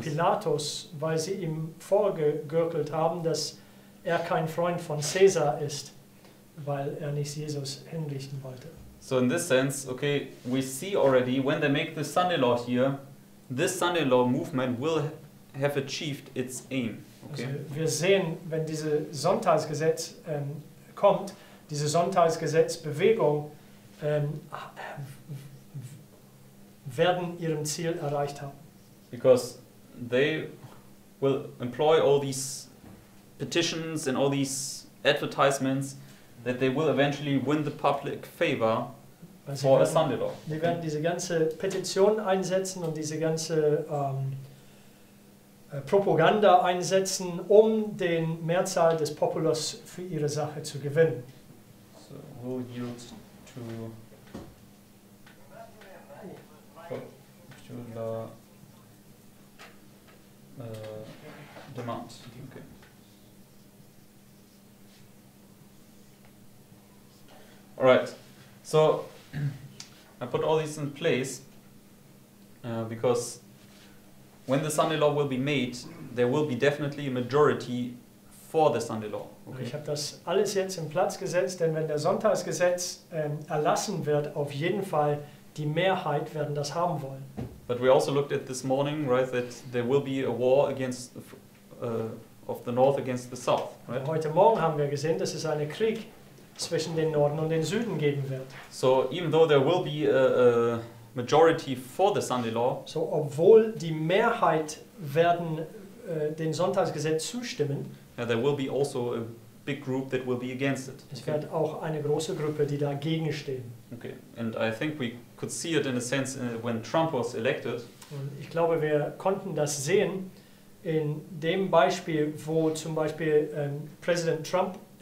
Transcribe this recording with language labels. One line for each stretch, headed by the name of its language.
German: Pilatus, weil sie ihm vorgegürkelt haben, dass er kein Freund von Caesar ist, weil er nicht Jesus hinrichten wollte.
English: So in this sense, okay, we see already when they make the Sunday law here, this Sunday law movement will have achieved its aim. Okay.
German: Also wir sehen, wenn dieses Sonntagsgesetz kommt, diese Sonntagsgesetzbewegung werden ihrem Ziel erreicht haben.
English: Because they will employ all these petitions and all these advertisements that they will eventually win the public favor.
German: Wir werden diese ganze Petition einsetzen und diese ganze Propaganda einsetzen, um den Mehrzahl des Populus für ihre Sache zu gewinnen.
English: So, who yield to the demand? Okay. All right. So I put all these in place because when the Sunday law will be made, there will be definitely a majority for the Sunday law. Okay.
German: Ich habe das alles jetzt in Platz gesetzt, denn wenn der Sonntagsgesetz erlassen wird, auf jeden Fall die Mehrheit werden das haben wollen.
English: But we also looked at this morning, right, that there will be a war against of the north against the south. Right?
German: Heute Morgen haben wir gesehen, dass es eine Krieg zwischen den Norden und den Süden geben wird.
English: So even though there will be a majority for the Sunday law,
German: so obwohl die Mehrheit werden den Sonntagsgesetz zustimmen,
English: yeah, there will be also a big group that will be against it.
German: Es wird auch eine große Gruppe, die dagegen stehen.
English: Okay, and I think we could see it in a sense when Trump was elected.
German: Und ich glaube, wir konnten das sehen in dem Beispiel, wo zum Beispiel Präsident Trump